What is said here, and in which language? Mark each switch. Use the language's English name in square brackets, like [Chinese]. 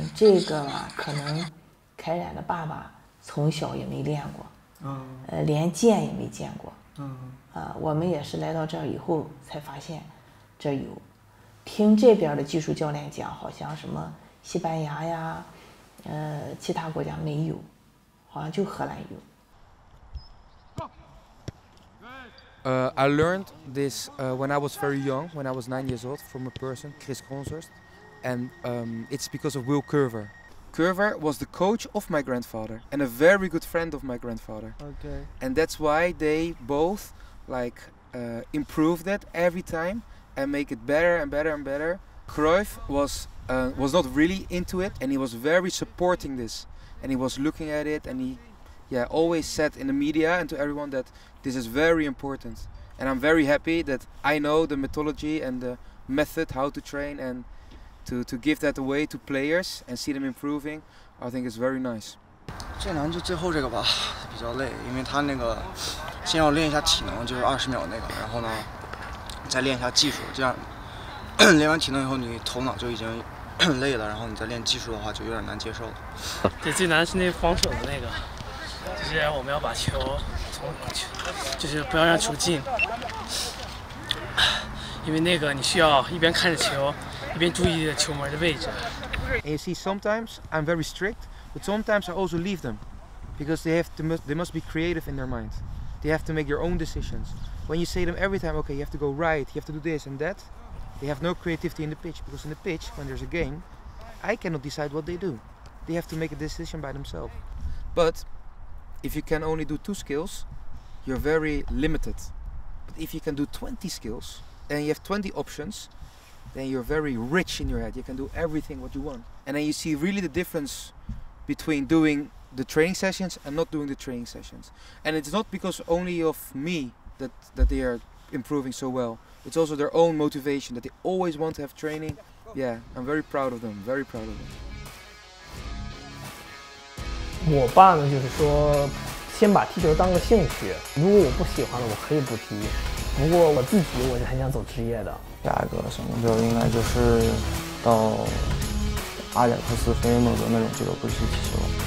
[Chinese] 这个吧，可能凯冉的爸爸从小也没练过，连剑也没见过，我们也是来到这儿以后才发现这有，听这边的技术教练讲，好像什么西班牙呀，其他国家没有，好像就荷兰有。 [English] I learned this when I was very young, when I was 9 years old, from a person, Chris Consorst, and it's because of Will Curver. Curver was the coach of my grandfather and a very good friend of my grandfather. Okay. And that's why they both like improved it every time and make it better and better and better. Cruyff was not really into it, and he was very supporting this, and he was looking at it, and he, yeah, always said in the media and to everyone that this is very important. And I'm very happy that I know the methodology and the method how to train, and to give that away to players and see them improving. I think it's very nice. [Chinese] 这男就最后这个吧，比较累，因为他那个先要练一下体能，就是20秒那个，然后呢再练一下技术，这样练完体能以后，你头脑就已经累了，然后你再练技术的话，就有点难接受了。对，最难是那防守的那个，就是我们要把球从球，就是不要让球进，因为那个你需要一边看着球，一边注意球门的位置。 [English] You see, sometimes I'm very strict, but sometimes I also leave them, because they must be creative in their minds. They have to make their own decisions. When you say them every time, okay, you have to go right, you have to do this and that. They have no creativity in the pitch, because in the pitch, when there's a game, I cannot decide what they do. They have to make a decision by themselves. But if you can only do 2 skills, you're very limited. But if you can do 20 skills, and you have 20 options, then you're very rich in your head. You can do everything what you want. And then you see really the difference between doing the training sessions and not doing the training sessions. And it's not because only of me that they are improving so well. It's also their own motivation that they always want to have training. Yeah, I'm very proud of them. Very proud of them. [Chinese] 我爸呢，就是说，先把踢球当个兴趣。如果我不喜欢了，我可以不踢。不过我自己，我是很想走职业的。下一个小目标应该就是到阿贾克斯、费耶诺德那种俱乐部去踢球。